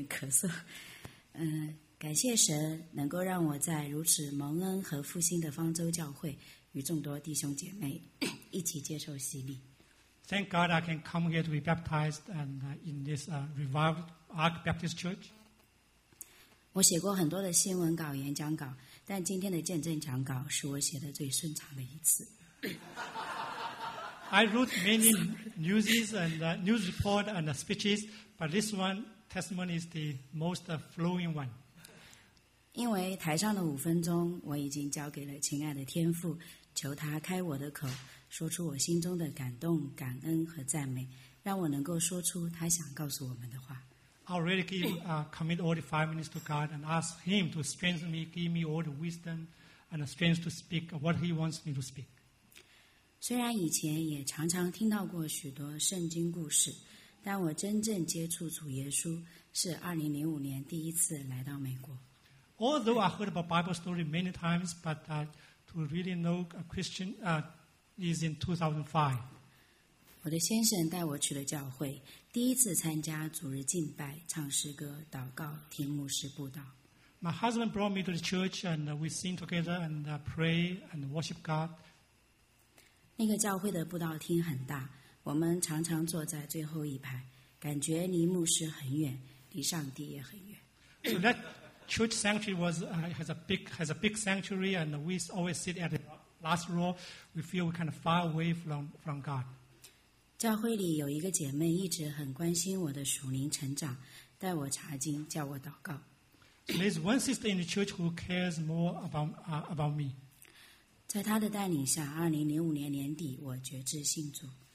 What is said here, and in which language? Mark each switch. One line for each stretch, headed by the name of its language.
Chinese: So, 感谢神能够让我在如此蒙恩和复兴的方舟教会与众多弟兄姐妹一起接受洗礼。
English: Thank God I can come here to be baptized and in this revived Ark Baptist Church.
Chinese: 我写过很多的新闻稿、演讲稿，但今天的见证讲稿是我写的最顺畅的一次。
English: I wrote many newses and news report and speeches, but this one. Testimony is the most flowing one.
Chinese: 因为台上的五分钟我已经交给了亲爱的天父，求他开我的口，说出我心中的感动、感恩和赞美，让我能够说出他想告诉我们的话。
English: I already commit all the 5 minutes to God and ask him to strengthen me, give me all the wisdom and the strength to speak what he wants me to speak.
Chinese: 虽然以前也常常听到过许多圣经故事，但我真正接触主耶稣是2005年第一次来到美国。
English: Although I heard about Bible story many times, but to really know a Christian is in 2005.
Chinese: 我的先生带我去了教会，第一次参加主日敬拜、唱诗歌、祷告、听牧师布道。
English: My husband brought me to the church and we sing together and pray and worship God.
Chinese: 那个教会的布道厅很大。我们常常坐在最后一排，感觉离牧师很远，离上帝也很远。
English: So that church sanctuary has a big sanctuary, and we always sit at the last row. We feel we kind of far away from God.
Chinese: 教会里有一个姐妹一直很关心我的属灵成长，带我查经，叫我祷告。
English: So there's one sister in the church who cares more about me.
Chinese: 在她的带领下，2005年年底，我决志信主。